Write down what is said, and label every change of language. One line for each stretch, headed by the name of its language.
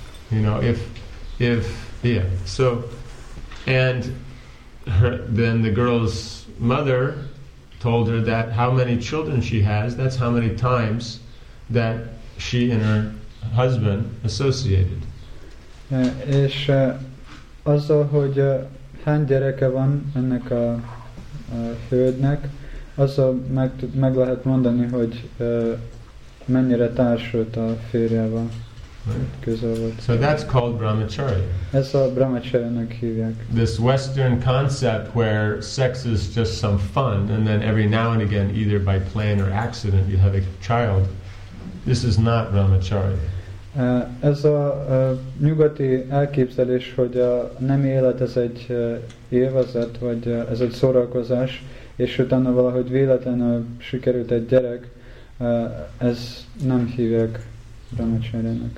English: You know, then the girl's mother told her that how many children she has, that's how many times that she and her husband associated.
Hungarian: És azzal, hogy hány gyereke van ennek a hölgynek, azzal meg lehet mondani, hogy mennyire társult a férjével,
English: right.
Hungarian: Közel volt.
English: So that's called brahmacharya.
Hungarian: Ezt a brahmacharyának hívják.
English: This Western concept where sex is just some fun, and then every now and again, either by plan or accident, you have a child, this is not brahmacharya.
Hungarian: Ez a nyugati elképzelés, hogy a nemi élet ez egy élvezet, vagy ez egy szórakozás, és utána valahogy véletlenül sikerült egy gyerek, ez nem hívják brahmacharyának.